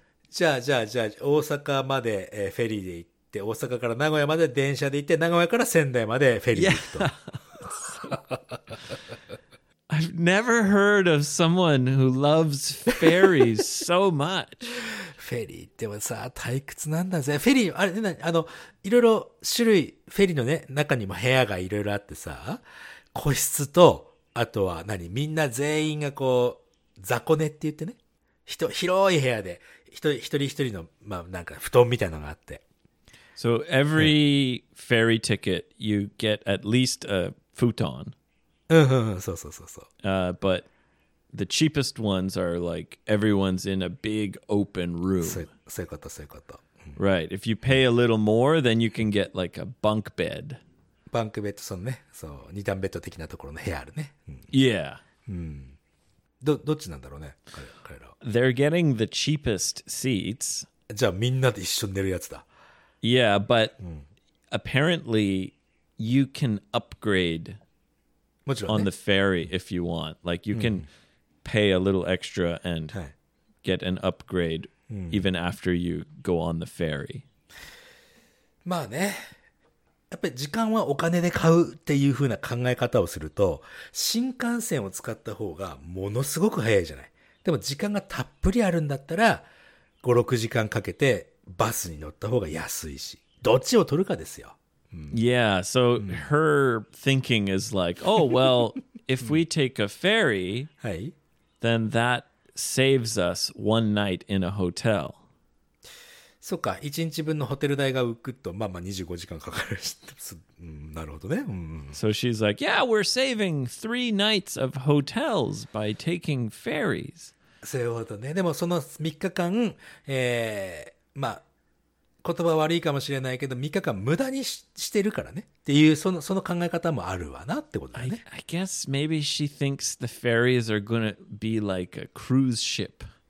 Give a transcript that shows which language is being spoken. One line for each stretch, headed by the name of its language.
Japanese: じゃあ、大阪まで、フェリーで行って、大阪から名古屋まで電車で行って、名古屋から仙台までフェリーで行くと。
English: Yeah. I've never heard of someone who loves ferries so much.
Japanese: フェリーってもさ、退屈なんだぜ。フェリー、あれ、あの、いろいろ種類、フェリーのね、中にも部屋がいろいろあってさ、個室と、あとは何、みんな全員がこう、雑魚寝って言ってね、広い部屋で、一人一人の、まあなんか布団みたいなのがあって。
English: So every ferry ticket, you get at least a futon.
Japanese: そう。
English: But... The cheapest ones are like everyone's in a big open room.
Japanese: そういうこと。
English: Right. If you pay a little more, then you can get like a bunk bed. Bunk bed,
Japanese: そうね。そう、二段ベッド的なところの部屋あるね。
English: Yeah.
Japanese: どっちなんだろうね、彼ら。
English: They're getting the cheapest seats.
Japanese: じゃあみんなで一緒に寝るやつだ。
English: Yeah, but apparently you can upgrade on the ferry if you want. Like you can... pay a little extra and get an upgrade even after you go on the ferry.
Japanese: まあね、やっぱり時間はお金で買うっていう風な考え方をすると、新幹線を使った方がものすごく早いじゃない。でも時間がたっぷりあるんだったら、5、6時間かけてバスに乗った方が安いし、どっちを取るかですよ。
English: Yeah, so her thinking is like, oh, well, if we take a ferry,
Japanese: はい。
English: Then that saves us one night in a hotel.
Japanese: そうか、一日分のホテル代が浮くと、まあまあ25時間かかるし、なるほどね。
English: So she's like, yeah, we're saving three nights of hotels by taking ferries.
Japanese: そういうことね。でもその3日間、まあ、言葉悪いかもしれないけど、3日間無駄に してるからね。っていう、その考え方もあるわなってことだね。
English: I guess maybe she thinks the ferries are gonna be like a cruise ship.